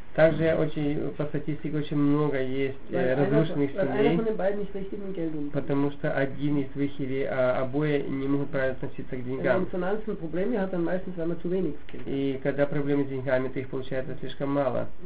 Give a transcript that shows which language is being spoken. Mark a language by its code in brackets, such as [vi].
[ru] Также очень, по статистике очень много есть разрушенных семей, потому что один из двух или обои не могут правильно относиться к деньгам. [de] Wenn man finanzen Probleme hat, dann meistens, wenn man zu wenig Geld. [ru] И когда проблемы с деньгами, то их получается слишком мало.